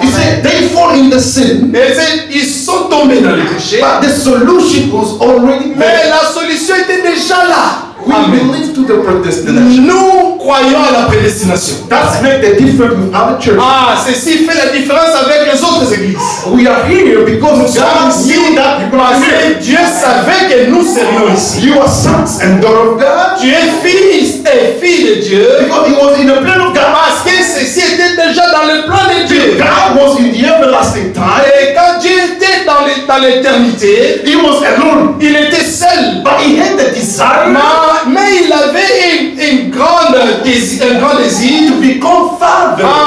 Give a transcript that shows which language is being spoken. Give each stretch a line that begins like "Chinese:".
English: He said they fall in the sin.
French: Ils sont tombés dans le péché.
English: But the solution was already there.
French: Mais la solution était déjà là.
English: We believe to the predestination.
French: Nous croyons à la prédestination.
English: That's make the difference with other churches.
French: Ceci fait la différence avec les autres églises.
English: We are here because God knew that people are here.
French: Dieu savait que nous serions ici.
English: You are sons and daughters of God.
French: Tu es fils et fille de Dieu.
English: Because he was in the plan of God.
French: Parce que ceci était déjà dans le plan de Dieu.
English: God was in the everlasting time.
French: Et quand Dieu était dans l'éternité,
English: he was alone.
French: Il était seul.
English: But he had the desire.
French: Mais il avait un grand désir
English: to become father.